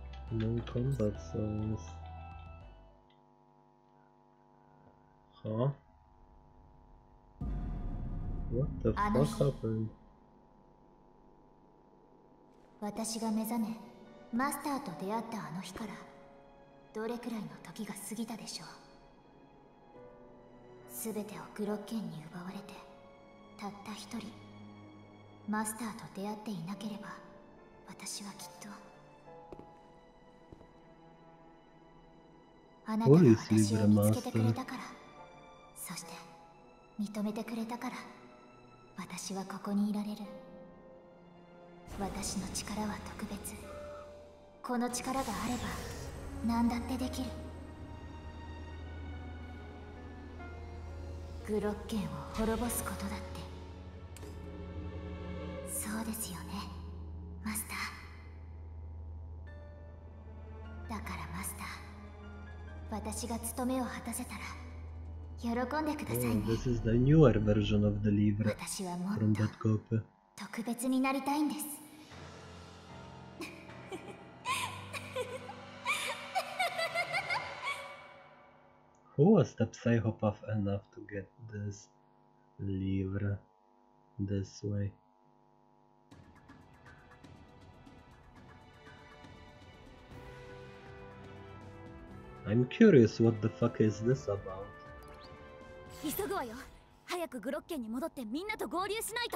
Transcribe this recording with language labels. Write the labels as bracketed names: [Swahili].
[English] Non-combat zones. Huh? What the fuck happened? I woke up and met the master that day. [Japanese] どれくらいの時が過ぎたでしょう。すべてをグロッケンに奪われて、たった一人、マスターと出会っていなければ、私はきっと。あなたが私を見つけてくれたから、そして認めてくれたから、私はここにいられる。私の力は特別。この力があれば。何だってできる。グロッケンを滅ぼすことだって。そうですよね、マスター。だからマスター、私が務めを果たせたら、喜んでくださいね。 [English] Oh, this is the newer version of the Libra. [Japanese] 私はもっと特別になりたいんです。 [English] Who was the psychopath enough to get this livre this way? I'm curious what the fuck is this about. [Japanese] 急ぐわよ。早くグロッケンに戻ってみんなと合流しないと。